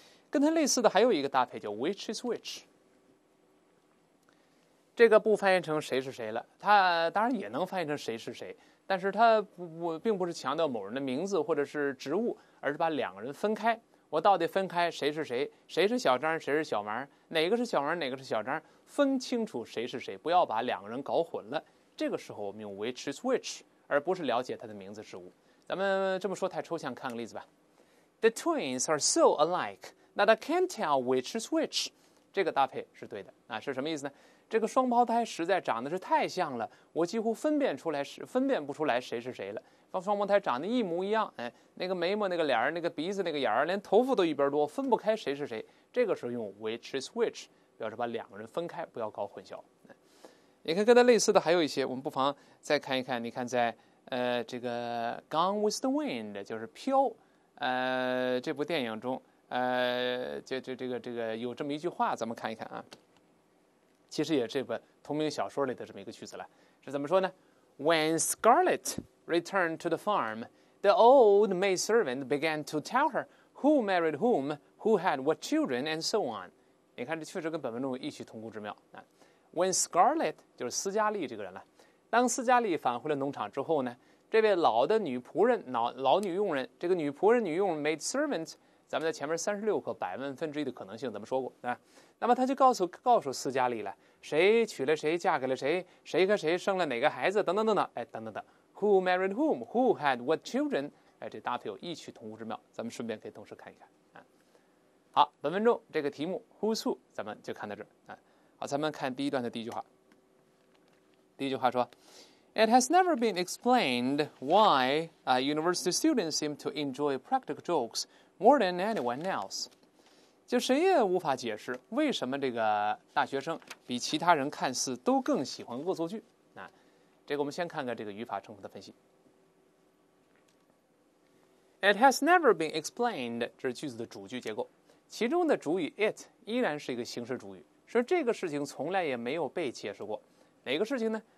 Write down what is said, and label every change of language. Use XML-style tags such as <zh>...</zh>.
<zh>跟他类似的还有一个搭配叫</zh> <en>Which is Which，</en> <zh>这个不翻译成谁是谁了，他当然也能翻译成谁是谁，但是他并不是强调某人的名字或者是职务，而是把两个人分开，我到底分开谁是谁，谁是小张谁是小王，哪个是小王哪个是小张，分清楚谁是谁，不要把两个人搞混了。这个时候我们用</zh> <en>which is which，</en> <zh>而不是了解他的名字职务。咱们这么说太抽象，看个例子吧。</zh> <en>The twins are so alike that I can't tell which is which。</en> <zh>这个搭配是对的，是什么意思呢？这个双胞胎实在长得是太像了，我几乎分辨不出来谁是谁了。双胞胎长得一模一样，哎，那个眉毛那个脸，那个鼻子那个眼，连头发都一边多，分不开谁是谁。这个时候用</zh> <en>which is which</en> <zh>表示把两个人分开，不要搞混淆。你看跟他类似的还有一些，我们不妨再看一看。你看在这个 Gone with the Wind， 就是飘这部电影中这个有这么一句话，咱们看一看啊。其实也这本同名小说里的这么一个句子了，是怎么说呢？</zh> <en>When ScarletReturned to the farm, the old maidservant began to tell her who married whom, who had what children, and so on.</en> <zh>你看，这确实跟本文中异曲同工之妙。</zh> <en>When Scarlett</en> <zh>就是斯嘉丽这个人了，当斯嘉丽返回了农场之后呢，这位老的女仆人、老女佣人，这个女仆人、女佣人 maidservant， 咱们在前面36课百万分之一的可能性，咱们说过啊。那么他就告诉斯嘉丽了，谁娶了谁，嫁给了谁，谁和谁生了哪个孩子，等等等等，哎，等等等。</zh> <en>Who married whom? Who had what children?</en> <zh>哎，这搭配有异曲同工之妙，咱们顺便给同事看一看。好，本文中这个题目</zh> <en>Who's Who</en> <zh>咱们就看到这儿。好，咱们看第一段的第一句话。第一句话说</zh> <en>It has never been explained why university students seem to enjoy practical jokes more than anyone else.</en> <zh>就谁也无法解释为什么这个大学生比其他人看似都更喜欢恶作剧。这个我们先看看这个语法成分的分析。</zh> <en>It has never been explained，</en> <zh>这是句子的主句结构，其中的主语 it 依然是一个形式主语，说这个事情从来也没有被解释过。哪个事情呢？</zh>